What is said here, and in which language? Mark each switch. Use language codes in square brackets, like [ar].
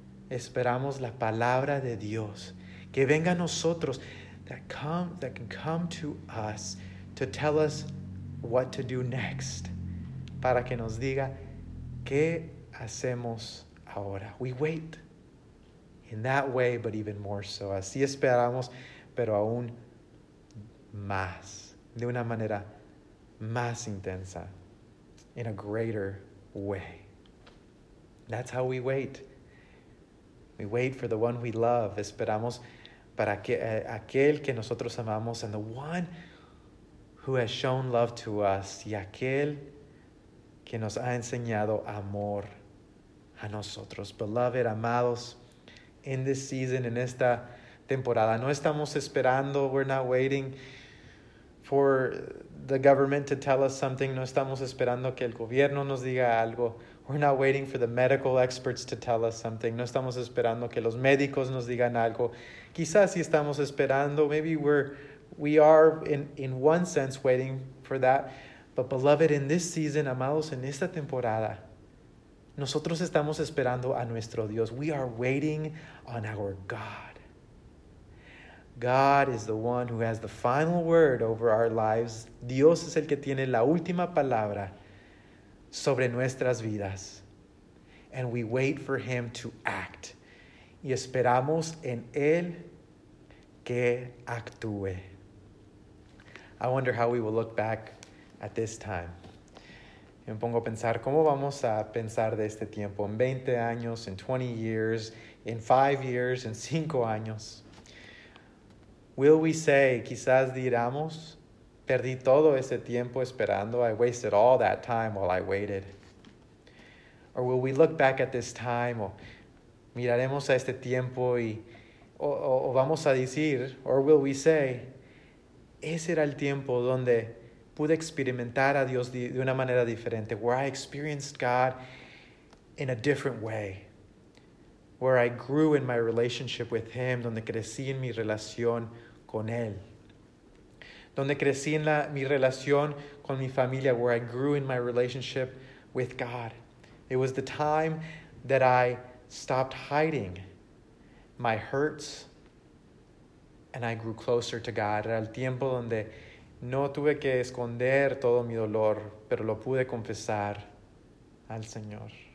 [es] Esperamos la palabra de Dios, que venga a nosotros, [en] that can come to us to tell us what to do next, [es] para que nos diga qué hacemos ahora. [en] We wait in that way, but even more so. [es] Así esperamos, pero aún más, de una manera más intensa, [en] in a greater way. That's how we wait. We wait for the one we love. [es] Esperamos para que, aquel que nosotros amamos, [en] and the one who has shown love to us, [es] y aquel que nos ha enseñado amor a nosotros. [en] Beloved, [es] amados, [en] in this season, [es] en esta temporada, no estamos esperando, [en] we're not waiting for the government to tell us something. [es] No estamos esperando que el gobierno nos diga algo. [en] We're not waiting for the medical experts to tell us something. [es] No estamos esperando que los médicos nos digan algo. Quizás sí estamos esperando. [en] Maybe we are in one sense waiting for that. But beloved, in this season, [es] amados, en esta temporada, nosotros estamos esperando a nuestro Dios. [en] We are waiting on our God. God is the one who has the final word over our lives. [es] Dios es el que tiene la última palabra sobre nuestras vidas. [en] And we wait for him to act. [es] Y esperamos en él que actúe. [en] I wonder how we will look back at this time. [es] Me pongo a pensar, ¿cómo vamos a pensar de este tiempo? En 20 años, en 20 years, en 5 years, en 5 años. [en] Will we say, [es] quizás diramos, perdí todo ese tiempo esperando. [en] I wasted all that time while I waited. Or will we look back at this time? [es] O miraremos a este tiempo y o vamos a decir, [en] or will we say, [es] ese era el tiempo donde pude experimentar a Dios de una manera diferente. [en] Where I experienced God in a different way. Where I grew in my relationship with Him. [es] Donde crecí en mi relación con Él. Donde crecí en mi relación con mi familia, [en] where I grew in my relationship with God. It was the time that I stopped hiding my hurts and I grew closer to God. [es] Era el tiempo donde no tuve que esconder todo mi dolor, pero lo pude confesar al Señor.